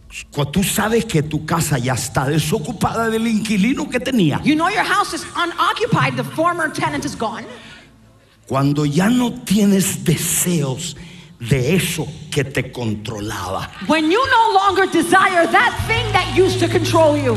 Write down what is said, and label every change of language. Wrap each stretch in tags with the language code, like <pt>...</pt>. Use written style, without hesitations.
<es>Cuando tú sabes que tu casa ya está desocupada del inquilino que tenía.</es> <en>You know your house is unoccupied, the former tenant is gone.</en> <es>Cuando ya no tienes deseos de eso que te controlaba.</es> <en>When you no longer desire that thing that used to control you.</en>